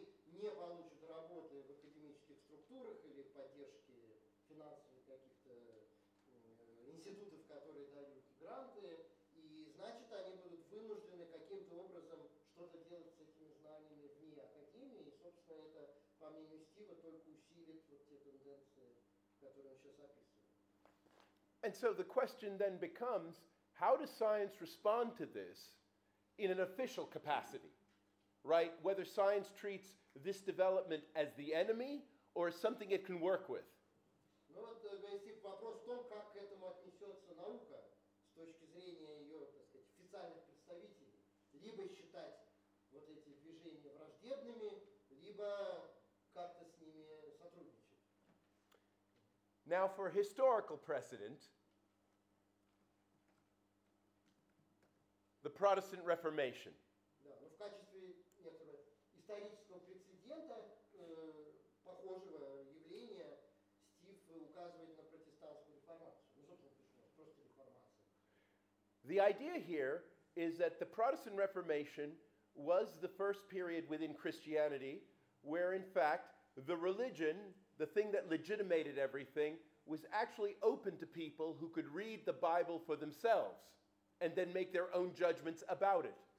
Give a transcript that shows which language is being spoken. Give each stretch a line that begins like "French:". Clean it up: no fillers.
Russian: Не получат работы в академических структурах или в поддержке финансовых каких-то институтов, которые дают гранты, и значит, они будут вынуждены каким-то образом что-то делать с этими знаниями вне академии, и, собственно, это, по мнению Стива, только усилит вот те тенденции, которые он сейчас описывает.
English: And so the question then becomes, how does science respond to this in an official capacity? Right? Whether science treats this development as the enemy or as something it can work with.
Russian: Ну вот, если вопрос в том, как к этому отнесется наука с точки зрения ее, так сказать, официальных представителей, либо считать вот эти движения враждебными, либо как-то с ними сотрудничать.
English: Now for historical precedent, the Protestant Reformation.
Russian: Да, ну в качестве некоторого исторического прецедента похожего явления Стив указывает на протестантскую реформацию. Ну, собственно, почему? Просто реформация.
English: The idea here is that the Protestant Reformation was the first period within Christianity where, in fact, the religion, the thing that legitimated everything, was actually open to people who could read the Bible for themselves and then make their own judgments about it.